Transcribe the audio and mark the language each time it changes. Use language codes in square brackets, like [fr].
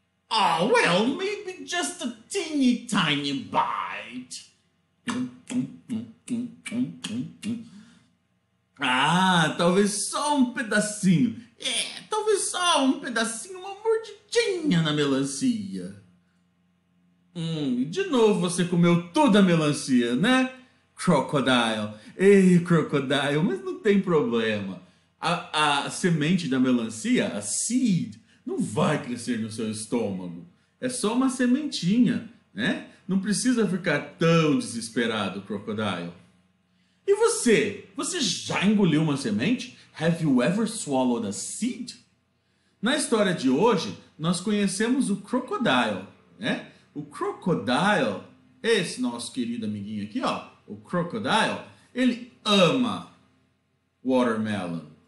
[en] Oh, well, maybe just a teeny tiny bite. [pt] Ah, talvez só um pedacinho. É, talvez só um pedacinho, uma mordidinha na melancia. De novo você comeu toda a melancia, né? Crocodile. Ei, crocodile, mas não tem problema. A semente da melancia, a seed, não vai crescer no seu estômago. É só uma sementinha, né? Não precisa ficar tão desesperado, crocodile. E você? Você já engoliu uma semente? [en] Have you ever swallowed a seed? [pt] Na história de hoje, nós conhecemos o crocodile, né? O crocodile, esse nosso querido amiguinho aqui, ó, o crocodile, ele ama watermelon.